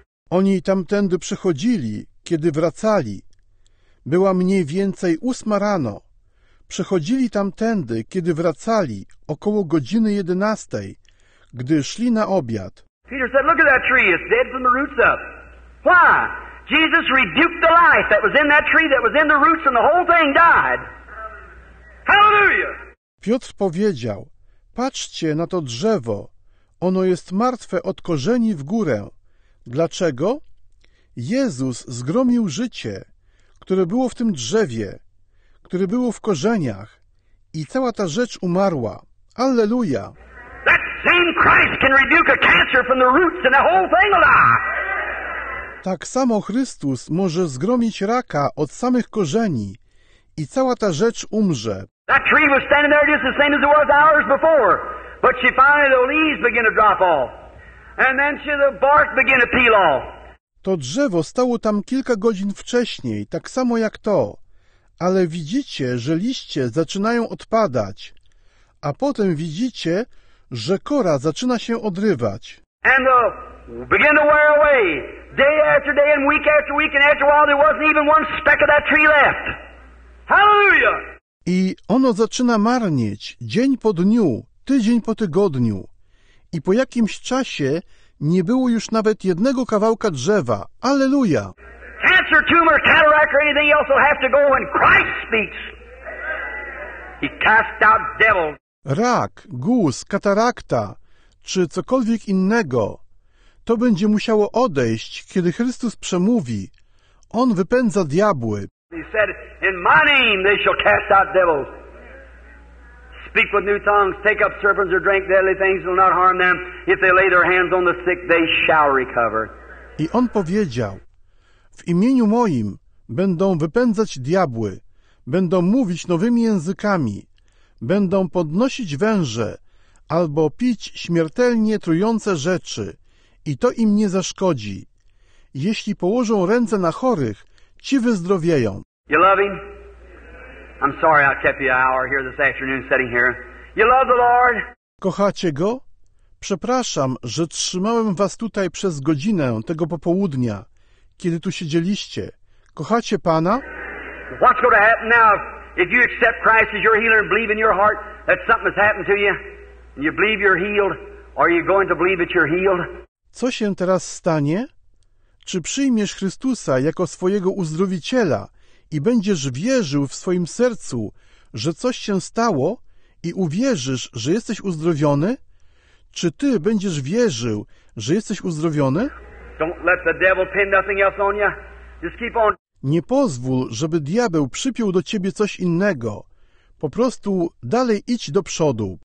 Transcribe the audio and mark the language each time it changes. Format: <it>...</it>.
<pl>Oni tamtędy przychodzili, kiedy wracali. Była mniej więcej 8 rano. Przychodzili tamtędy, kiedy wracali, około godziny 11, gdy szli na obiad.</pl> <en>Peter said, look at that tree, it's dead from the roots up. Why? Jesus rebuked the life that was in that tree, that was in the roots, and the whole thing died. Hallelujah!</en> <pl>Piotr powiedział, patrzcie na to drzewo, ono jest martwe od korzeni w górę. Dlaczego? Jezus zgromił życie, które było w tym drzewie, które było w korzeniach, i cała ta rzecz umarła. Alleluja!</pl> <en>That same Christ can rebuke a cancer from the roots, and the whole thing will die.</en> <pl>Tak samo Chrystus może zgromić raka od samych korzeni i cała ta rzecz umrze.</pl> <en>That tree was standing there just the same as it was hours before. But she finally the leaves begin to drop off. And then she the bark begin to peel off.</en> <pl>To drzewo stało tam kilka godzin wcześniej, tak samo jak to. Ale widzicie, że liście zaczynają odpadać. A potem widzicie, że kora zaczyna się odrywać.</pl> <en>And the begin to wear away. Day after day and week after week and after a while there wasn't even one speck of that tree left. Hallelujah!</en> <pl>I ono zaczyna marnieć dzień po dniu, tydzień po tygodniu. I po jakimś czasie nie było już nawet jednego kawałka drzewa. Alleluja!</pl> <en>Cancer, tumor, cataract or anything else will have to go when Christ speaks. He cast out devils.</en> <pl>Rak, guz, katarakta, czy cokolwiek innego, to będzie musiało odejść, kiedy Chrystus przemówi. On wypędza diabły.</pl> <en>He said, in my name they shall cast out devils. Speak with new tongues, take up serpents or drink deadly things, will not harm them. If they lay their hands on the sick, they shall recover.</en> <pl>I on powiedział, w imieniu moim będą wypędzać diabły, będą mówić nowymi językami, będą podnosić węże albo pić śmiertelnie trujące rzeczy i to im nie zaszkodzi. Jeśli położą ręce na chorych, ci wyzdrowieją.</pl> <en>You love him? I'm sorry I kept you an hour here this afternoon sitting here. You love the Lord?</en> <pl>Kochacie go? Przepraszam, że trzymałem was tutaj przez godzinę tego popołudnia, kiedy tu siedzieliście. Kochacie Pana?</pl> <en>What's going to happen now? If you accept Christ as your healer and believe in your heart that something has happened to you, and you believe you're healed, are you going to believe that you're healed?</en> <pl>Co się teraz stanie? Czy przyjmiesz Chrystusa jako swojego uzdrowiciela i będziesz wierzył w swoim sercu, że coś się stało i uwierzysz, że jesteś uzdrowiony? Czy ty będziesz wierzył, że jesteś uzdrowiony?</pl> <en>Don't let the devil pin nothing else on you. Just keep on.</en> <pl>Nie pozwól, żeby diabeł przypiął do ciebie coś innego. Po prostu dalej idź do przodu.</pl>